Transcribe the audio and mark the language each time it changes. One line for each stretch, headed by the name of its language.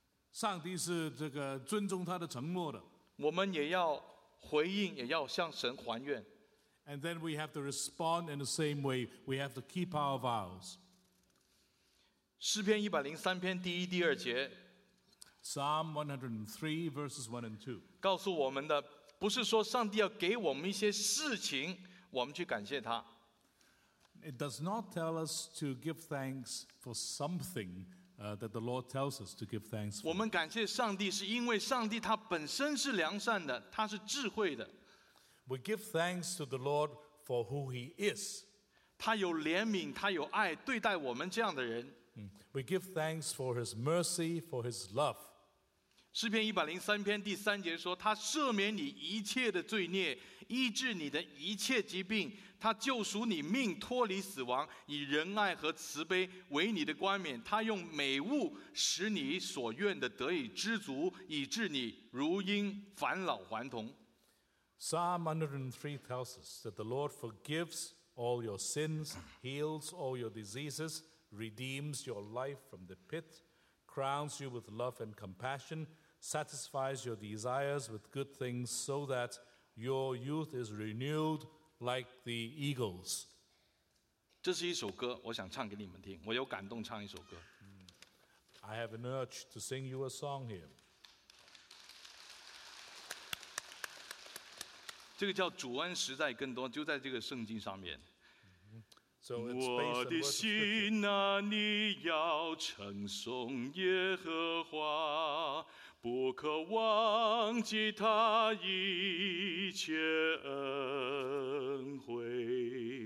Chinese: 上帝是这个尊重他的承诺的。我们也要回应，也要向神还愿。
English: And then we have to respond in the same way. We have to keep our vows.
Chinese: 诗篇103篇第一、第二节。
English: Psalm 103 verses 1 and 2.
Chinese: 告诉我们的，不是说上帝要给我们一些事情，我们去感谢他。
English: It does not tell us to give thanks for something that the Lord tells us to give thanks for.
Chinese: 我们感谢上帝是因为上帝他本身是良善的，他是智慧的。
English: We give thanks to the Lord for who he is.
Chinese: 他有怜悯，他有爱，对待我们这样的人。
English: We give thanks for his mercy, for his love.
Chinese: 诗篇103篇第三节说，他赦免你一切的罪孽，医治你的一切疾病。他救赎你命，脱离死亡，以仁爱和慈悲为你的冠冕。他用美物使你所愿的得以知足，以致你如婴返老还童。
English: Psalm 103 tells us that the Lord forgives all your sins, heals all your diseases, redeems your life from the pit, crowns you with love and compassion, satisfies your desires with good things, so that your youth is renewed. Like the eagles.
Chinese: 这是一首歌，我想唱给你们听。我有感动唱一首歌。
English: I have an urge to sing you a song here.
Chinese: 这个叫主恩实在更多，就在这个圣经上面。我的心啊，你要称颂耶和华，不可忘记他一切恩惠。